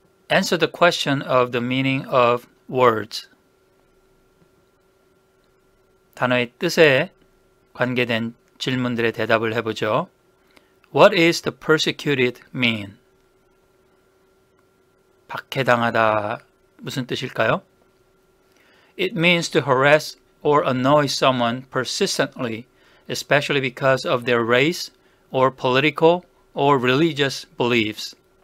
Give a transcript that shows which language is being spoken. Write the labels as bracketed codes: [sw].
[en] 'Answer the question of the meaning of words. [ko] 단어의 뜻에 관계된 질문들의 대답을 해보죠. [en] What is the persecuted mean? [ko] 박해당하다 무슨 뜻일까요? [en] It means to harass or annoy someone persistently, especially because of their race or political or religious beliefs.